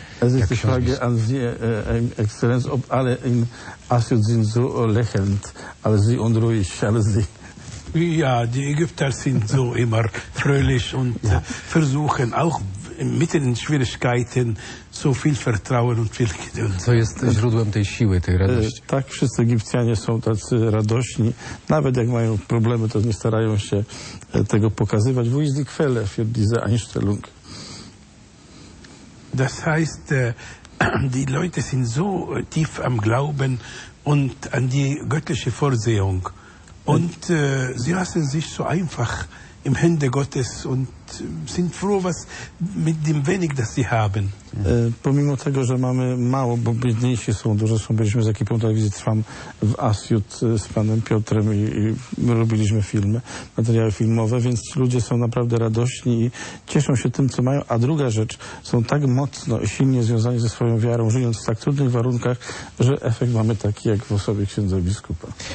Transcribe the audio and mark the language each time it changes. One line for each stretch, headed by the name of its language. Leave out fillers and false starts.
German: Es ist die Frage an Sie, Exzellenz, ob alle im Asyl sind so lächelnd, als Sie und ruhig, als Sie. Ja, die Ägypter sind so immer fröhlich und ja. Versuchen auch mitten in Schwierigkeiten so viel Vertrauen und viel Geduld.
Polish: Co jest źródłem tej siły, tej radości? Tak, wszyscy Egipcjanie są tacy radośni. Nawet jak mają problemy, to nie starają się tego pokazywać.
German: Wo ist die Quelle für diese Einstellung? Das heißt, die Leute sind so tief am Glauben und an die göttliche Vorsehung. Und sie lassen sich so einfach im Hände Gottes und sind froh, was mit dem wenig, das sie haben.
Polish: Pomimo tego, że mamy mało, bo biedniejsi są, dużo są, byliśmy z ekipą telewizji Trwam w Asjut z panem Piotrem i robiliśmy filmy, materiały filmowe, więc ci ludzie są naprawdę radośni i cieszą się tym, co mają. A druga rzecz, są tak mocno i silnie związani ze swoją wiarą, żyjąc w tak trudnych warunkach, że efekt mamy taki, jak w osobie księdza biskupa.